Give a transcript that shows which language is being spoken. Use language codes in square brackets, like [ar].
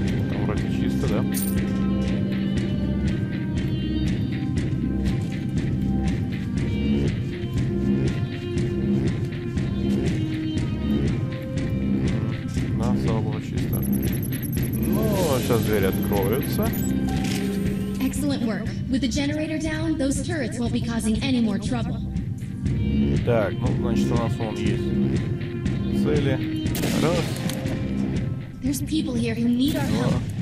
[ru] Там вроде чисто, да? Да, слава богу, чисто. Ну, сейчас двери откроются. [en] Excellent work. With the generator down, those turrets won't be causing any more trouble. [ru] Так, ну значит у нас вон есть цели. Раз. [en] There's people here who need our help.